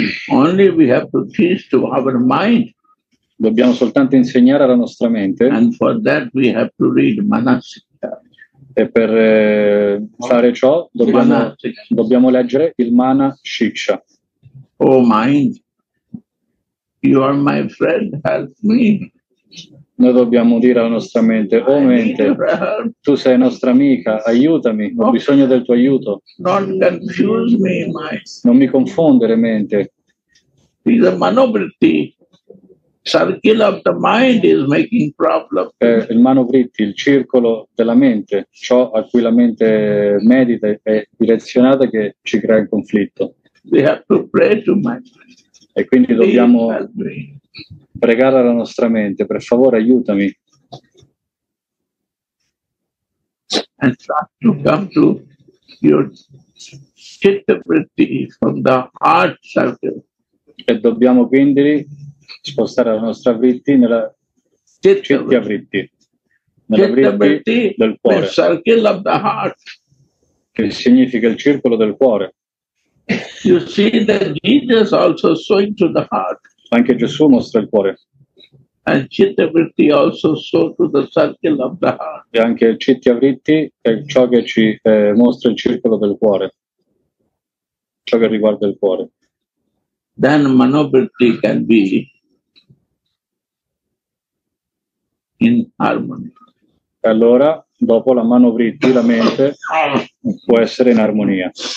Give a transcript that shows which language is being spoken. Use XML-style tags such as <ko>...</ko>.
<en>Only we have to teach to our mind.</en> <it>Dobbiamo soltanto insegnare alla nostra mente.</it> <en>And for that we have to read Manasika.</en> <it>E per fare ciò dobbiamo leggere il Manasiksha.</it> <en>Oh mind, you are my friend, help me.</en> <it>Noi dobbiamo dire alla nostra mente, oh mente, tu sei nostra amica, aiutami, ho bisogno del tuo aiuto.</it> <en>Don't confuse me, mind.</en> <it>Non mi confondere, mente.</it> <en>The manovritti, circle of the mind is making problem.</en> <it>Il manovritti, il circolo della mente, ciò a cui la mente medita è direzionata che ci crea il conflitto.</it> <en>We have to pray to mind.</en> <it>E quindi dobbiamo pregare alla nostra mente, per favore aiutami.</it> <en>And start to come to your chittavritti from the heart circle.</en> <it>E dobbiamo quindi spostare la nostra vritti nella chittavritti, nella vritti del cuore.</it> <en>The circle of the heart.</en> <it>Che significa il circolo del cuore.</it> <en>You see that Jesus also showing to the heart.</en> <it>Anche Gesù mostra il cuore.</it> <en>And chittavritti also show to the circle of the heart.</en> <it>E anche chittavritti è ciò che ci mostra il circolo del cuore. Ciò che riguarda il cuore.</it> <en>Then manovritti can be in harmony.</en> <it>E allora dopo la manovritti, la mente può essere in armonia.</it>